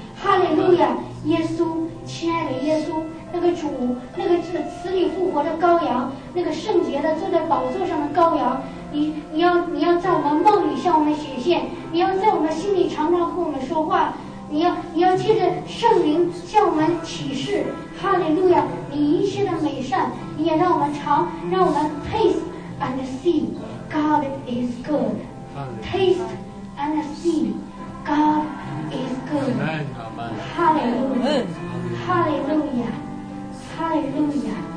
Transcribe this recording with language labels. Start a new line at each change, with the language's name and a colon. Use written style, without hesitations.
Chinese: 哈利路亚，耶稣，亲爱的耶稣，那个主，那个死里复活的羔羊，那个圣洁的坐在宝座上的羔羊，你要在我们梦里向我们显现，你要在我们心里常常和我们说话，你要借着圣灵向我们启示。哈利路亚，你一切的美善，你也让我们尝，让我们
English: taste and see God is good. Taste and see God is good.
Chinese: 哈利路亚，哈利路亚，哈利路亚。